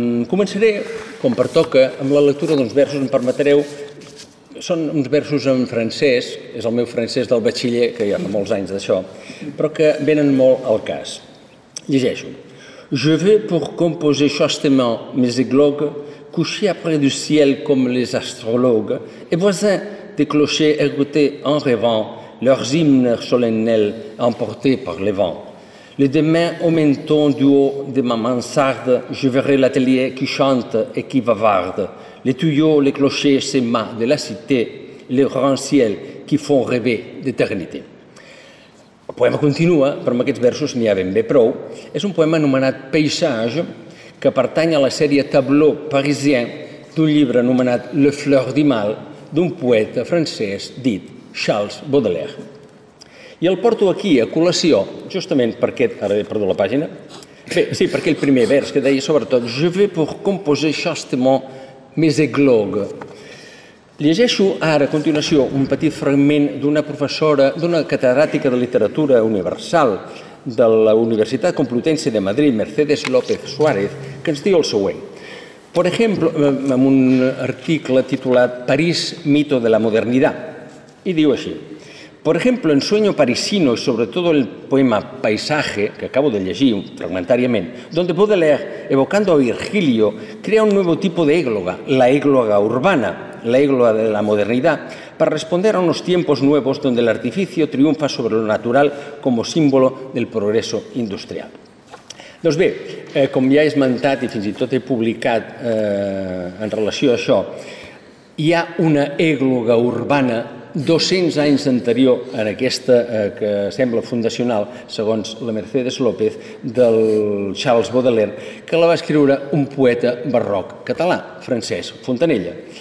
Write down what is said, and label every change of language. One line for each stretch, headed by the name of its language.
Catalan: Començaré, com pertoca, amb la lectura d'uns versos, em permetreu, són uns versos en francès, és el meu francès del batxiller, que ja fa molts anys d'això, però que venen molt al cas. Llegeixo.
French: Je veux pour composer justement mes églogues couché après du ciel comme les astrologues, et voisins des clochers écoutaient en rêvant leurs hymnes solennels emportés par les vents. Le demain au menton du haut de ma mansarde, je verrai l'atelier qui chante et qui bavarde, les tuyaux, les clochers, ces mâts de la cité, les grands ciels qui font rêver d'éternité.
Catalan: El poema continua, però amb aquests versos n'hi ha ben bé prou. És un poema anomenat Paysage, que pertany a la sèrie Tableau parisien d'un llibre anomenat Le fleur du mal, d'un poeta francès dit Charles Baudelaire. I el porto aquí a col·lació, justament per aquest, ara he perdut la pàgina, bé, sí, per aquell primer vers que deia sobretot
French: «Je vais pour composer justement mes églogues».
Catalan: Llegeixo ara, a continuació, un petit fragment d'una professora, d'una catedràtica de literatura universal de la Universitat Complutense de Madrid, Mercedes López Suárez, que ens diu el següent. Per exemple, amb un article titulat
Spanish: «París, mito de la modernitat»,
Catalan: i diu així:
Spanish: «Por ejemplo, en sueño parisino, sobre todo el poema Paisaje, que acabo de llegir fragmentariamente, donde Baudelaire, evocando a Virgilio, crea un nuevo tipo de égloga, la égloga urbana, la égloga de la modernidad, para responder a unos tiempos nuevos donde el artificio triunfa sobre lo natural como símbolo del progreso industrial».
Catalan: Doncs bé, com ja he esmentat i fins i tot he publicat en relació a això, hi ha una égloga urbana 200 anys anterior en aquesta que sembla fundacional, segons la Mercedes López, del Charles Baudelaire, que la va escriure un poeta barroc català, Francesc Fontanella.